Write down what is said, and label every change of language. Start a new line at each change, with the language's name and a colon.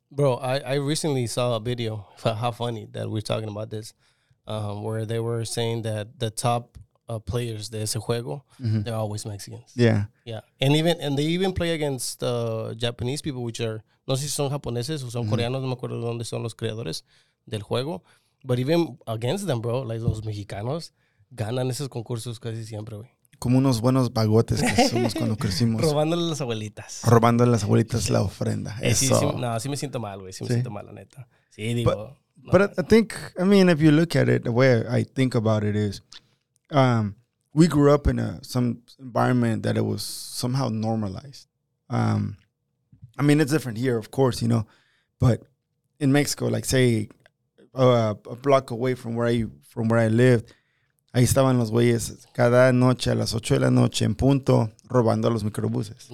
English: Bro, I recently saw a video, how funny that we're talking about this, where they were saying that the top players
Spanish: de ese juego,
English: mm-hmm. they're always Mexicans. Yeah. Yeah. And they even play against Japanese people, which are,
Spanish: no sé si son japoneses o son
English: mm-hmm.
Spanish: coreanos, no me acuerdo dónde son los creadores del juego.
English: But even against them, bro, like
Spanish: los mexicanos ganan esos concursos casi siempre, güey. Como unos buenos bagotes que somos cuando crecimos. Robándole a las abuelitas. Robándole a las abuelitas sí. la ofrenda. Eso. Sí, no, sí me siento mal, güey. Sí me siento mal, la neta. Sí, digo.
English: But no. I think, I mean, if you look at it, the way I think about it is, we grew up in some environment that it was somehow normalized. I mean, it's different here, of course, you know. But in Mexico, like, say, a block away from where I lived,
Spanish: ahí estaban los güeyes cada noche a las 8 de la noche en punto robando los microbuses.